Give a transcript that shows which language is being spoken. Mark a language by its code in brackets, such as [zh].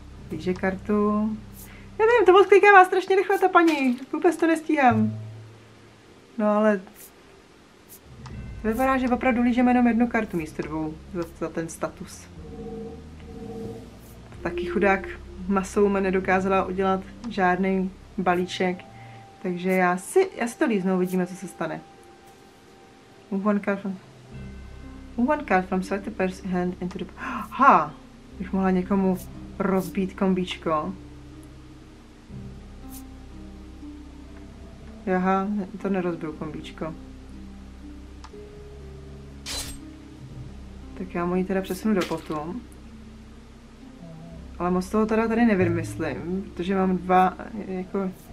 [cs] Rýže kartu. Já nevím, to odklikává strašně rychle ta paní, vůbec to nestíhám. No ale... Vypadá, že opravdu lížeme jenom jednu kartu místo dvou za ten status. Taky chudák Masoume nedokázala udělat žádný balíček. Takže já si to líznu, uvidíme, co se stane. [en] Move one card from selected player's hand into the... Ha! [cs] Bych mohla někomu rozbít kombíčko. Aha, to nerozbil kombíčko. Tak já mu ji teda přesunu do potu. Ale moc toho teda tady nevymyslím, protože mám dva, jako...